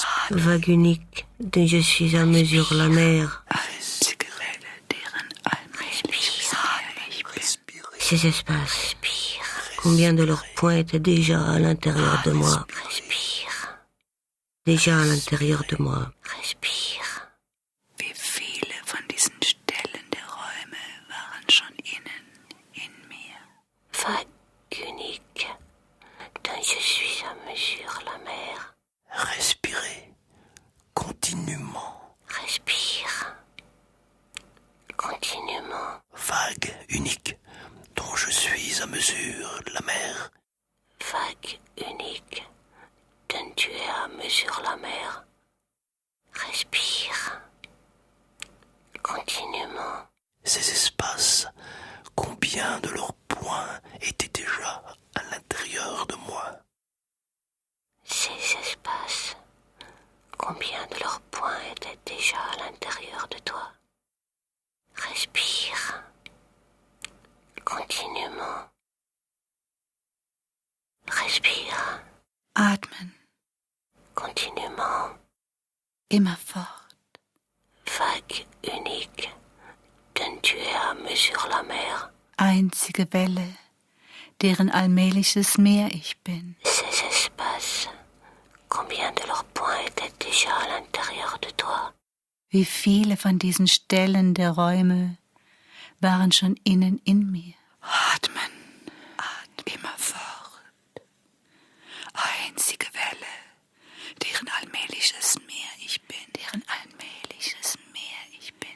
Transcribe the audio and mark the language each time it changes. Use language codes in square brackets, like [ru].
[fr] vague unique dont je suis à mesure la mer, ces espaces. Combien de leurs points étaient déjà à l'intérieur de moi? Respire. Déjà à l'intérieur de moi. Respire. [de] Wie viele von diesen Stellen der Räume waren schon innen, in mir? [fr] Vague unique, dont je suis à mesure la mer. Respirez. Continuellement. Respire. Continuellement. Vague unique. Dont je suis à mesure la mer. Vague unique, dont tu es à mesure la mer. Respire. Continuellement. Ces espaces, combien de leurs points étaient déjà à l'intérieur de moi? Ces espaces, combien de leurs points étaient déjà à l'intérieur de toi? Respire. Continuellement. Respire. [de] Atmen. [fr] Continuellement. Et ma forte. Vague unique, dont tu es à mesure la mer. [de] Einzige Welle, deren allmähliches Meer ich bin. [fr] Ces espaces, combien de leurs points étaient déjà à l'intérieur de toi? [de] Wie viele von diesen Stellen der Räume waren schon innen in mir? Atmen, atmen, immer fort. Einzige Welle, deren allmähliches Meer ich bin, deren allmähliches Meer ich bin.